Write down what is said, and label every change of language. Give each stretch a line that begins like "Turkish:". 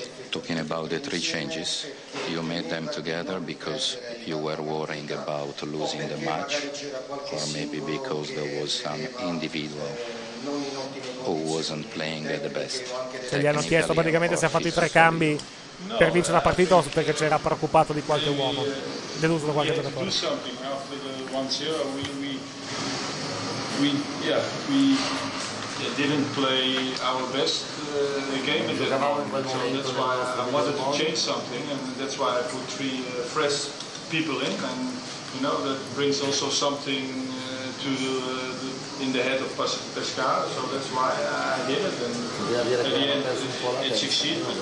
English: talking about the three changes, you made them together because you were worrying about losing the match, or maybe because there was some individual who wasn't playing at the best.
Italian: Se gli hanno chiesto praticamente se ha fatto i tre cambi per vincere la partita o perché c'era preoccupato di qualche uomo, deluso da qualche giocatore.
English: Do something after the 1-0, we didn't play our best game, and so that's why I wanted to change something, and that's why I put three fresh people in, and you know that brings also something to in the head of Pescara, so that's why I did it, and at the end it succeeded.